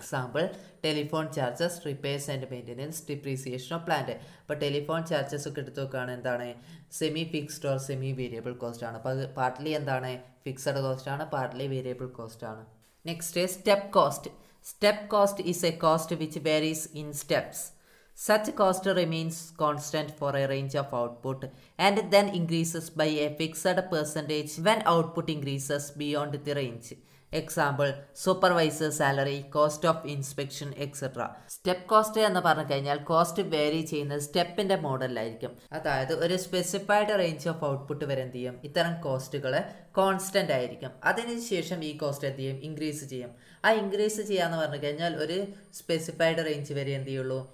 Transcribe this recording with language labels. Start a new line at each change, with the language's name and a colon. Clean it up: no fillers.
English: Example telephone charges, repairs and maintenance, depreciation of plant.
Malayalam: അപ്പോൾ telephone charges ഒക്കെ എടുത്തു നോക്കുകയാണ് എന്താണ്? Semi fixed or semi variable cost ആണ്. അപ്പോൾ പാർട്ട്ലി എന്താണ്? ഫിക്സഡ് കോസ്റ്റ് ആണ്, പാർട്ട്ലി വേരിയബിൾ കോസ്റ്റ് ആണ്.
English: Next step cost. Step cost is a cost which varies in steps. Such cost remains constant for a range of output and then increases by a fixed percentage when output increases beyond the range. Example, supervisor salary, cost of inspection, etc.
Malayalam: Step cost എന്ന് പറഞ്ഞു കഴിഞ്ഞാൽ cost vary ചെയ്യുന്ന സ്റ്റെപ്പിൻ്റെ മോഡലായിരിക്കും. അതായത് ഒരു specified range of output വരെ എന്ത് ചെയ്യും? ഇത്തരം കോസ്റ്റുകൾ കോൺസ്റ്റൻ്റ് ആയിരിക്കും. അതിനുശേഷം ഈ കോസ്റ്റ് എന്ത് ചെയ്യും? ഇൻക്രീസ് ചെയ്യും. ആ ഇൻക്രീസ് ചെയ്യാന്ന് പറഞ്ഞു കഴിഞ്ഞാൽ ഒരു സ്പെസിഫൈഡ് റേഞ്ച് വരെ എന്ത് ചെയ്യുള്ളൂ?